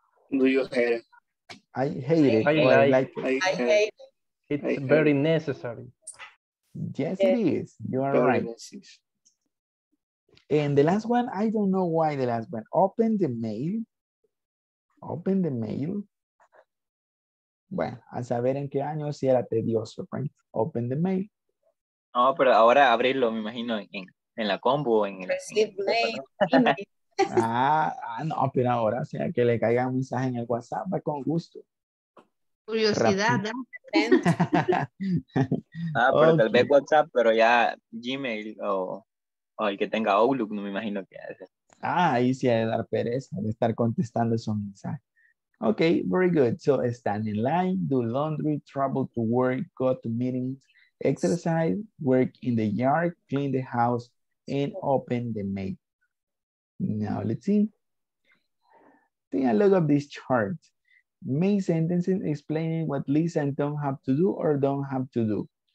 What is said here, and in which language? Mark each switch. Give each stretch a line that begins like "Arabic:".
English: Do you hate it? I hate it. I like it. I hate it. It's very necessary. Yes, it is. You are very right. Necessary. And the last one, I don't know why the last one. Open the mail. Open the mail.
Spanish: Bueno, a saber en qué año si era tedioso, right?
English: Open the mail.
Spanish: No, oh, pero ahora abrirlo, me imagino, en la combo. No, pero ahora, o sea, que le caiga un mensaje en el WhatsApp, va con gusto. Curiosidad, ¿no? Ah, pero okay. Tal vez WhatsApp, pero ya Gmail o el que tenga Outlook, no me imagino que hace. Ah, ahí sí hay que dar pereza de estar contestando esos mensajes.
English: Ok, very good. So, stand in line, do laundry, travel to work, go to meetings, exercise, work in the yard, clean the house, and open the mail. Now, let's see. Take a look at this chart. Main sentences explaining what Lisa and Tom have to do or don't have to do.